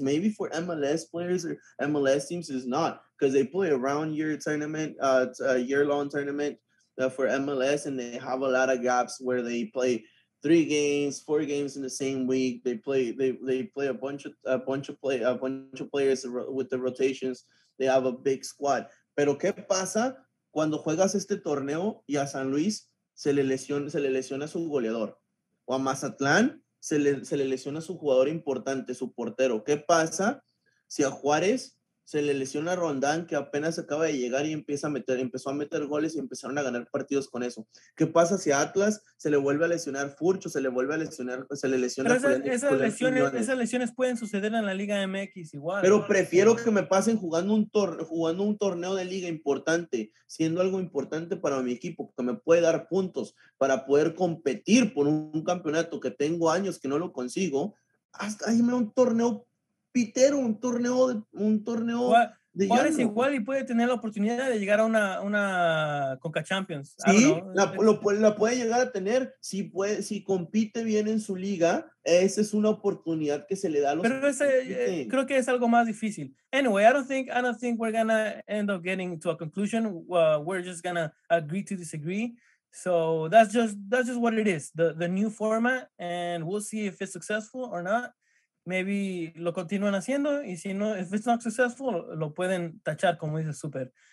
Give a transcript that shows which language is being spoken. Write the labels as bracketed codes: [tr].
[en] Maybe for MLS players or MLS teams, it's not, because they play around your tournament, a year-long tournament for MLS, and they have a lot of gaps where they play 3 games, 4 games in the same week. They play a bunch of players with the rotations. They have a big squad. [es] Pero qué pasa cuando juegas este torneo y a San Luis se le lesiona su goleador, o a Mazatlán se le lesiona su jugador importante, su portero? ¿Qué pasa si a Juárez se le lesiona a Rondán, que apenas acaba de llegar y empezó a meter goles y empezaron a ganar partidos con eso? ¿Qué pasa si a Atlas se le vuelve a lesionar Furcho, se le lesiona? Esas lesiones pueden suceder en la Liga MX igual. Pero prefiero que me pasen jugando un torneo de liga importante, siendo algo importante para mi equipo, que me puede dar puntos para poder competir por un campeonato que tengo años que no lo consigo, hasta irme a un torneo pitero, un torneo de Juárez llano. Igual y puede tener la oportunidad de llegar a una Conca Champions. Sí, la puede llegar a tener si compite bien en su liga. Esa es una oportunidad que se le da a los. Pero ese, creo que es algo más difícil. [en] Anyway, I don't think we're gonna end up getting to a conclusion. We're just gonna agree to disagree. So that's just what it is. The new format, and we'll see if it's successful or not. [es] Maybe lo continúan haciendo, y si no, if it's not successful, lo pueden tachar, como dice Super.